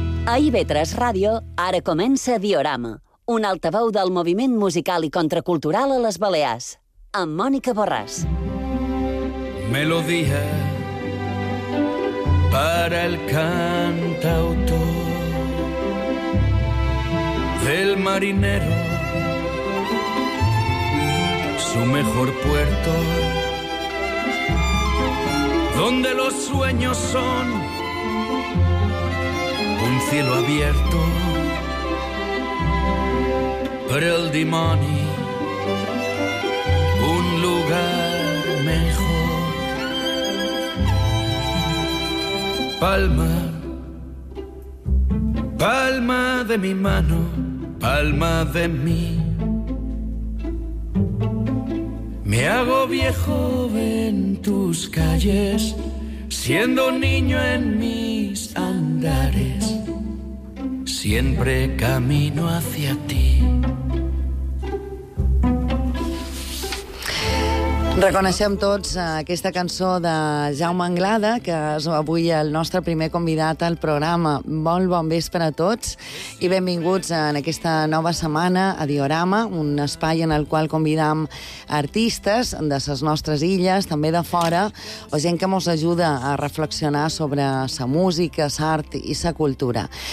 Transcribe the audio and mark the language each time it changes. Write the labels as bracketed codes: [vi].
[ca] A IB3 Ràdio, ara comença Diorama, un altaveu del moviment musical i contracultural a les Balears, amb Mònica Borràs. Melodia per al [es] cantautor del marinero, su mejor puerto, donde los sueños son un cielo abierto, [ca] per el dimoni, [es] un lugar mejor. Palma, palma de mi mano, palma de mí. Me hago viejo en tus calles, siendo niño en mis andares. Siempre camino hacia ti. [ca] Reconeixem tots aquesta cançó de Jaume Anglada, que és avui el nostre primer convidat al programa. Molt bon vespre a tots i benvinguts en aquesta nova setmana a Diorama, un espai en el qual convidam artistes de les nostres illes, també de fora, o gent que ens ajuda a reflexionar sobre la música, l'art i la cultura.